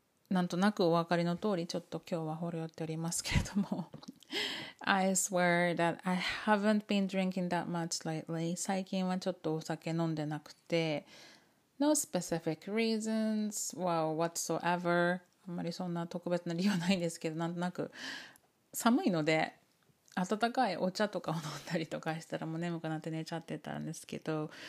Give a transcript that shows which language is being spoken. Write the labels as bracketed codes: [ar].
[ja] なんとなくお分かりの通りちょっと今日はほろ酔っておりますけれども、 [en] I swear that I haven't been drinking that much lately. [ja] 最近はちょっとお酒飲んでなくて、 [en] No specific reasons, well, whatsoever. [ja] あんまりそんな特別な理由はないんですけど、なんとなく寒いので温かいお茶とかを飲んだりとかしたらもう眠くなって寝ちゃってたんですけど。